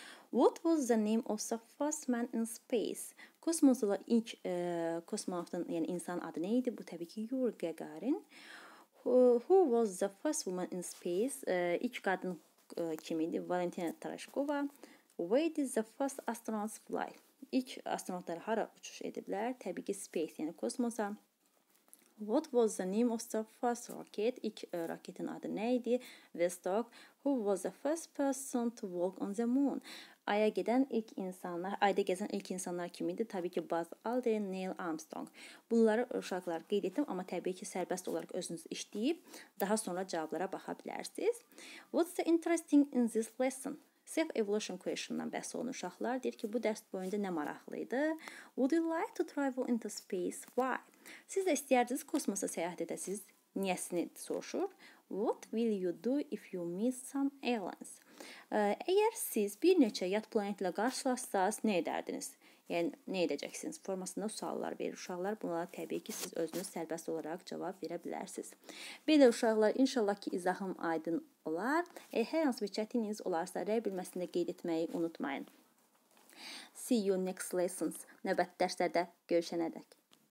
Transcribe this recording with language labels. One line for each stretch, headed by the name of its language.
English: What was the name of the first man in space?
Azerbaijani: Kosmosda ilk kosmonavtın, yəni insan adı nə idi? Bu təbii ki Yuri Gagarin.
English: Who was the first woman in space?
Azerbaijani: İlk qadın kim idi?
English: Valentina Tereshkova. Where did the first astronauts fly?
Azerbaijani: İlk astronautlar hara uçuş ediblər? Təbii ki space, yəni kosmosa.
English: What was the name of the first rocket?
Azerbaijani: İlk raketin adı nə idi?
English: Vostok. Who was the first person to walk on the moon?
Azerbaijani: Aya gedən ilk insanlar, ayda gezən ilk insanlar kim idi? Təbii ki Buzz Aldrin, Neil Armstrong. Bunları uşaqlar qeyd etdim, amma təbii ki sərbəst olaraq özünüz işləyib daha sonra cavablara baxa bilərsiniz.
English: What's the interesting in this lesson?
Azerbaijani: Self evolution question-dan bəhs olun uşaqlar. Deyir ki bu dərs boyunca nə maraqlı idi?
English: Would you like to travel into space? Why?
Azerbaijani: Siz də istəyərdiniz kosmosa səyahət edəsiniz? Niyəsini soruşur?
English: What will you do if you meet some aliens?
Azerbaijani: Əgər siz bir neçə yad planetlə qarşılaşsanız, nə edərdiniz? Yəni, nə edəcəksiniz? Formasında suallar verir uşaqlar. Bunlara təbii ki, siz özünüz sərbəst olaraq cavab verə bilərsiniz. Belə uşaqlar, inşallah ki, izahım aydın olar. Hər hansı bir çətiniz olarsa, rəy bilməsində qeyd etməyi unutmayın.
English: See you next lessons.
Azerbaijani: Növbəti dərslərdə görüşənə dək.